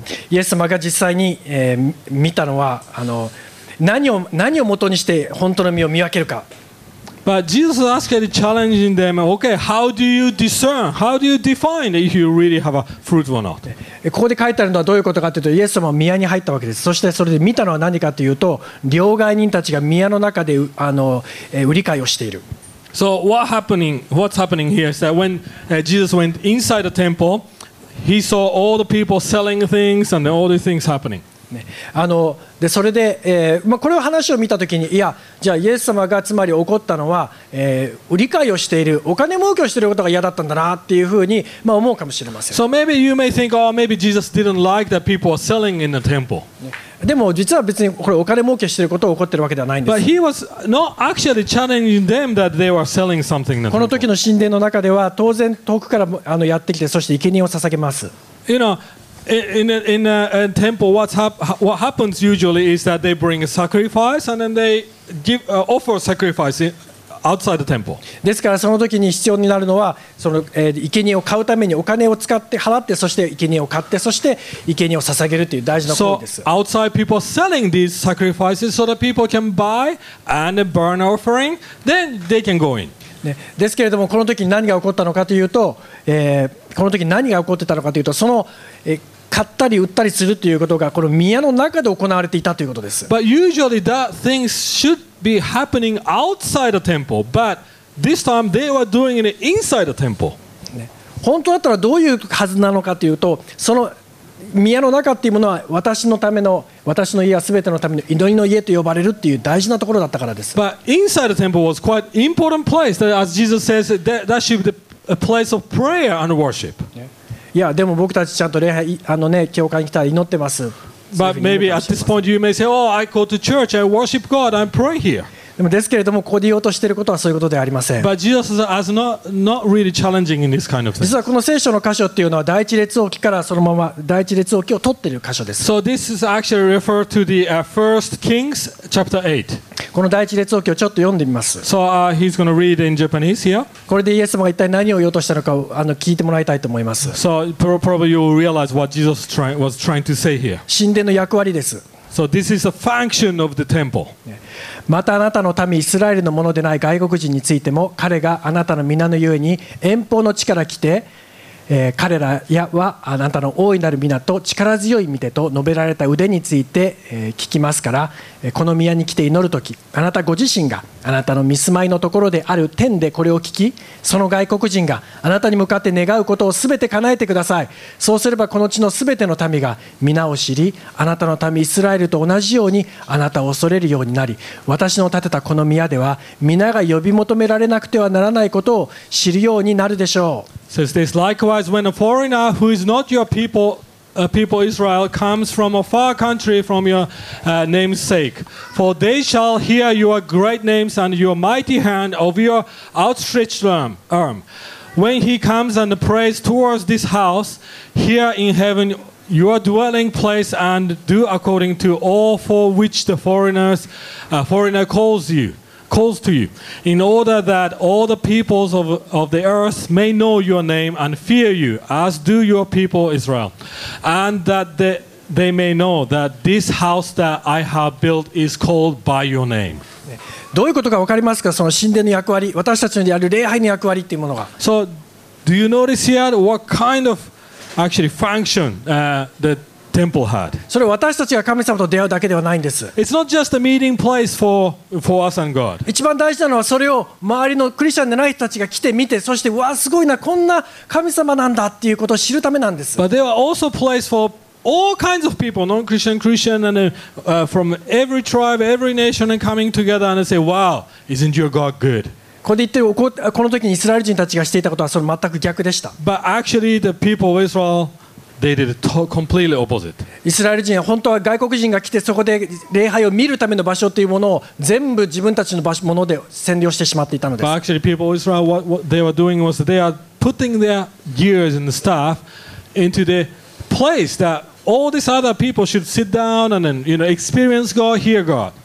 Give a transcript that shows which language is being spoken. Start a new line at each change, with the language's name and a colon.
Japanese: イエス様が実際に、見たのは、何を元にして本当の実を見分けるか。
English: But Jesus is actually challenging them. Okay, how do you discern? How do you define if you really have a fruit or not?
Japanese: ここで書いてあるのはどういうことかというと、イエス様は宮に入ったわけです。そしてそれで見たのは何かというと、両替人たちが宮の中で売り買いをしている。
English: So what's happening here is that when Jesus went inside the temple, he saw all the people selling things and all these things happening.
Japanese: でそれで、まあ、これを話を見たときに、いや、じゃあイエス様がつまり怒ったのは、売り買いをしている、お金儲けをしていることが嫌だったんだなっていうふうに、まあ、思うかもしれません。
English: So maybe you may think, oh, maybe Jesus didn't like that people were selling in the temple.
Japanese: でも実は別にこれお金儲けしていることを怒っているわけではないんです。
English: But he was not actually challenging them that they were selling something in the temple.
Japanese: この時の神殿の中では当然遠くからやってきて、そして生贄を捧げます。
English: You know,In a temple, what happens usually is that they bring a sacrifice and then they give offer a sacrifice outside the temple.
Japanese: ですからその時に必要になるのは、その生贄を買うためにお金を使って払って、そして生贄を買って、そして生贄を捧げるという大事な行為です。
English: So outside people are selling these sacrifices so that people can buy and burn offering, then they can go in.
Japanese: ですけれどもこの時に何が起こったのかというと、この時何が起こってたのかというと、その、買ったり売ったりするということがこの宮の中で行われていたということです。
English: But usually that things should be happening outside the temple, but this time they were doing it inside the temple.
Japanese: 本当だったらどういうはずなのかというと、その宮の中っていうものは私のための、私の家は全てのための祈りの家と呼ばれるっていう大事なところだったからです。
English: But inside the temple was quite important place, as Jesus says, that should be a place of prayer and worship.
Japanese: やでも僕たちちゃんと礼拝あのね教会に来たら祈ってます。
English: But maybe at this point you may say, "Oh, I go to church. I worship God. I'm praying here."
Japanese: でもですけれどもここで言おうとしていることはそういうことではありません。
English: But Jesus is not really challenging in this kind of thing.
Japanese: 実はこの聖書の箇所っていうのは第一列王記からそのまま第一列王記を取っている箇所です。
English: So this is actually referred to the First Kings chapter 8.
Japanese: この第一列王記をちょっと読んでみます。
English: So he's going to read in Japanese here.
Japanese: これでイエス様が一体何を言おうとしたのかをあの聞いてもらいたいと思います。
English: So probably you will realize what Jesus was trying to say here.
Japanese: 神殿の役割です。
English: So this is a function of the temple.
Japanese: またあなたの民イスラエルのものでない外国人についても彼があなたの皆のゆえに遠方の地から来て、彼らはあなたの大いなる皆と力強い御手と述べられた腕について、聞きますからこの宮に来て祈るときあなたご自身があなたの見住まいのところである天でこれを聞きその外国人があなたに向かって願うことをすべて叶えてくださいそうすればこの地のすべての民が皆を知りあなたの民イスラエルと同じようにあなたを恐れるようになり私の建てたこの宮では皆が呼び求められなくてはならないことを知るようになるでしょう
English: Says this, likewise when a foreigner who is not your peopleA people Israel comes from a far country from your name's sake. For they shall hear your great names and your mighty hand of your outstretched arm. When he comes and prays towards this house, here in heaven, your dwelling place, and do according to all for which the foreigner calls to you, in order that all the peoples of the earth may know your name and fear you, as do your people Israel, and that they may know that this house that I have built is called by your name.
Japanese: どういうことが分かりますか？その神殿の役割、私たちのやる礼拝の役割っていうものが。
English: So, do you notice here what kind of actually function that temple had?
Japanese: それ私たちが神様と出会うだけではないんです。
English: It's not just a meeting place for us and God.
Japanese: 一番大事なのはそれを周りのクリスチャンでない人たちが来て見て、そしてわあすごいなこんな神様なんだっていうことを知るためなんです。
English: But there are also place for all kinds of people, non-Christian, Christian, and from every tribe, every nation, and coming together and say, "Wow, isn't your God good?"
Japanese: ここで言ってこの時にイスラエル人たちがしていたことはその全く逆でした。
English: But actually, the people of Israel. They did completely opposite.
Japanese: イスラエル人は本当は外国人が来てそこで礼拝を見るための場所というものを全部自分たちの場所もので占領してしまっていたのです。
English: But actually, people of Israel, what they were doing was they are putting their gears and the staff into the place that all these other people should sit down and then, you know, experience God, hear God.、